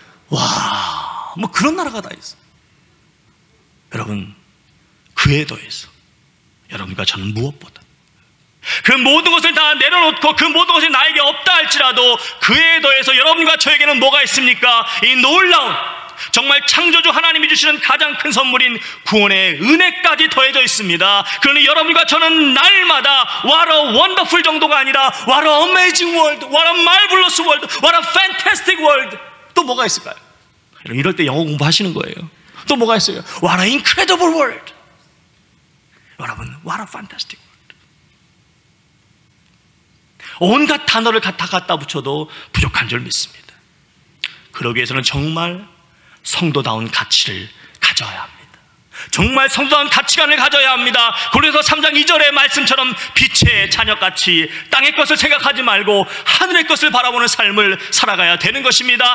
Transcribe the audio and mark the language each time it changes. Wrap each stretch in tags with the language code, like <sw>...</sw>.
<ko>와, 뭐 그런 나라가 다 있어. 여러분, 그에 더해서 여러분과 저는 무엇보다 그 모든 것을 다 내려놓고 그 모든 것이 나에게 없다 할지라도 그에 더해서 여러분과 저에게는 뭐가 있습니까? 이 놀라운 정말 창조주 하나님이 주시는 가장 큰 선물인 구원의 은혜까지 더해져 있습니다. 그러니 여러분과 저는 날마다</ko> <en>What a wonderful</en> <ko>정도가 아니라</ko> <en>What a amazing world, What a marvelous world, What a fantastic world.</en> <ko>또 뭐가 있을까요? 여러분 이럴 때 영어 공부하시는 거예요. 또 뭐가 있어요?</ko> <en>What a incredible world. 여러분, What a fantastic world.</en> <ko>온갖 단어를 갖다 붙여도 부족한 줄 믿습니다. 그러기 위해서는 정말 성도다운 가치를 가져야 합니다. 정말 성도다운 가치관을 가져야 합니다. 고린도서 3장 2절의 말씀처럼 빛의 자녀같이 땅의 것을 생각하지 말고 하늘의 것을 바라보는 삶을 살아가야 되는 것입니다.</ko>